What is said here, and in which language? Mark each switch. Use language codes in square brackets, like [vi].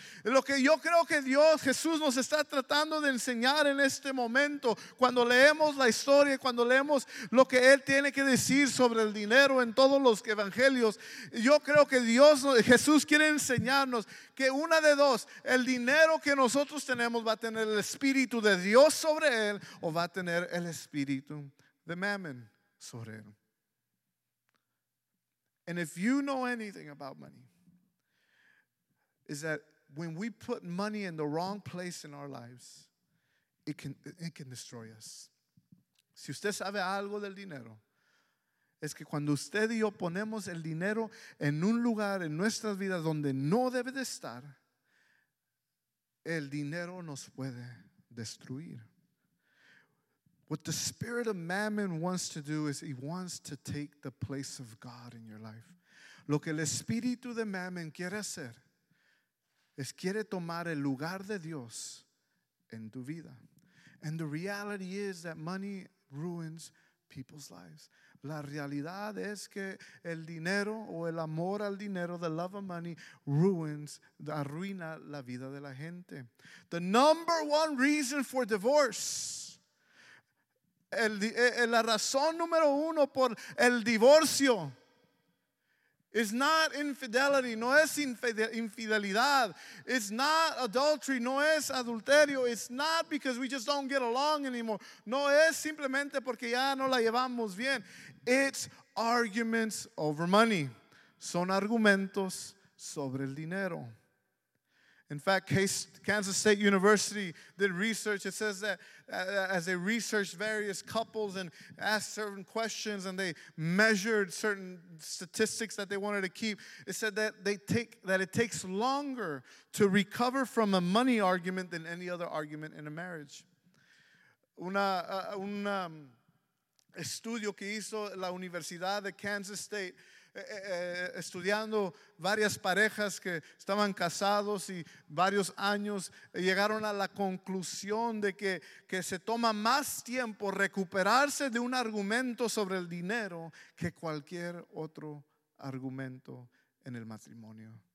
[es] Lo que yo creo que Dios, Jesús, nos está tratando de enseñar en este momento, cuando leemos la historia, cuando leemos lo que Él tiene que decir sobre el dinero en todos los evangelios, yo creo que Dios, Jesús quiere enseñarnos que una de dos, el dinero que nosotros tenemos va a tener el espíritu de Dios sobre él o va a tener el espíritu de mammon sobre él. [en] And if you know anything about money, is that when we put money in the wrong place in our lives, it can destroy us. [es] Si usted sabe algo del dinero, es que cuando usted y yo ponemos el dinero en un lugar en nuestras vidas donde no debe de estar, el dinero nos puede destruir. [en] What the spirit of mammon wants to do is he wants to take the place of God in your life. [es] Lo que el espíritu de mammon quiere hacer es quiere tomar el lugar de Dios en tu vida. [en] And the reality is that money ruins people's lives. [es] La realidad es que el dinero o el amor al dinero, [en] the love of money, [es] arruina la vida de la gente. [en] The number one reason for divorce [es] La razón número uno por el divorcio [en] is not infidelity. [es] No es infidelidad. [en] It's not adultery. [es] No es adulterio. [en] It's not because we just don't get along anymore. [es] No es simplemente porque ya no la llevamos bien. [en] It's arguments over money. [es] Son argumentos sobre el dinero. [en] In fact, Kansas State University did research. It says that as they researched various couples and asked certain questions and they measured certain statistics that they wanted to keep, it said that it takes longer to recover from a money argument than any other argument in a marriage. [es] Un estudio que hizo la Universidad de Kansas State estudiando varias parejas que estaban casados y varios años, llegaron a la conclusión de que se toma más tiempo recuperarse de un argumento sobre el dinero que cualquier otro argumento en el matrimonio.